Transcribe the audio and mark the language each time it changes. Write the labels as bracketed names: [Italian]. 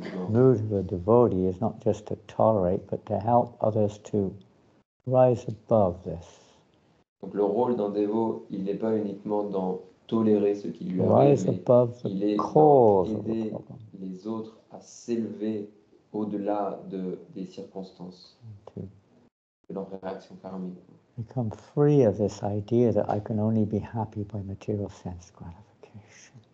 [English] The mood of a devotee is not just to tolerate, but to help others to rise above this. [French] Donc le rôle d'un dévot, il n'est pas uniquement dans tolérer ce qui lui arrive, mais il est pour aider les autres à s'élever au-delà de, des circonstances, de leur réaction karmique. [English] Become free of this idea that I can only be happy by material sense gratification.